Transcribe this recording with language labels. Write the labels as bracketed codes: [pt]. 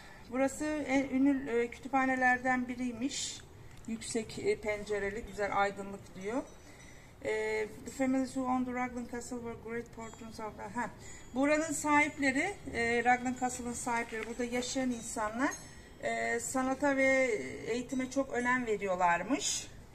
[tr] Burası en ünlü kütüphanelerden biriymiş. Yüksek pencereli, güzel aydınlık diyor. [en] The families who owned Raglan Castle were great patrons of the... Ha. [tr] Buranın sahipleri, Raglan Castle'ın sahipleri, burada yaşayan insanlar sanata ve eğitime çok önem veriyorlarmış.